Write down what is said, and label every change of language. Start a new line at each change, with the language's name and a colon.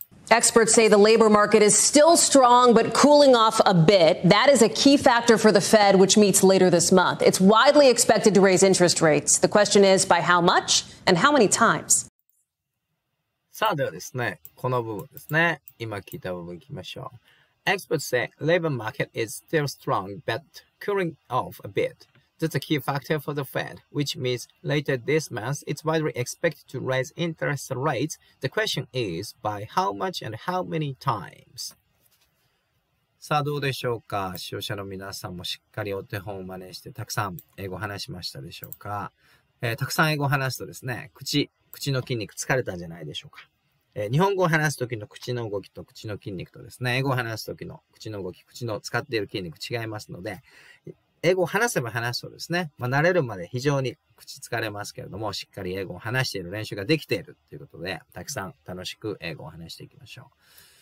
English: Experts say the labor market is still strong, but cooling off a bit. That is a key factor for the Fed, which meets later this month. It's widely expected to raise interest rates. The question is, by how much and how many times?
Japanese: さあではですね、この部分ですね、今聞いた部分いきましょう。
English: Experts say labor market is still strong, but cooling off a bit. That's a key factor for the Fed, which means later this month, it's widely expected to raise interest rates. The question is, by how much and how many times?
Japanese: さあどうでしょうか、視聴者の皆さんもしっかりお手本を真似してたくさん英語話しましたでしょうか、たくさん英語話すとですね、口の筋肉疲れたんじゃないでしょうか、日本語を話すときの口の動きと口の筋肉とですね、英語を話すときの口の動き、口の使っている筋肉違いますので、英語を話せば話すとですね、まあ、慣れるまで非常に口疲れますけれども、しっかり英語を話している練習ができているということで、たくさん楽しく英語を話していきましょう。